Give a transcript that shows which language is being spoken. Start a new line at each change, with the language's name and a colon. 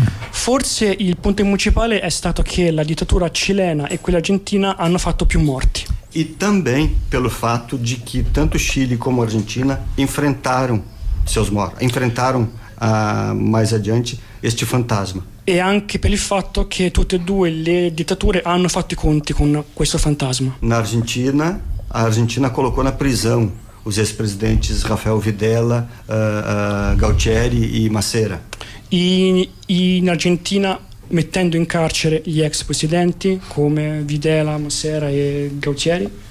Italian: Forse il punto principale è stato che la dittatura cilena e quella argentina hanno fatto più morti.
Portuguese: E também pelo fato de que tanto Chile como Argentina enfrentaram seus mortos, enfrentaram mais adiante este fantasma.
Italian: E anche per il fatto che tutte e due le dittature hanno fatto i conti con questo fantasma.
Portuguese: Na Argentina, a Argentina colocou na prisão os ex-presidentes Rafael Videla, Galtieri e Massera.
Italian: In Argentina, mettendo in carcere gli ex presidenti come Videla, Massera e Galtieri.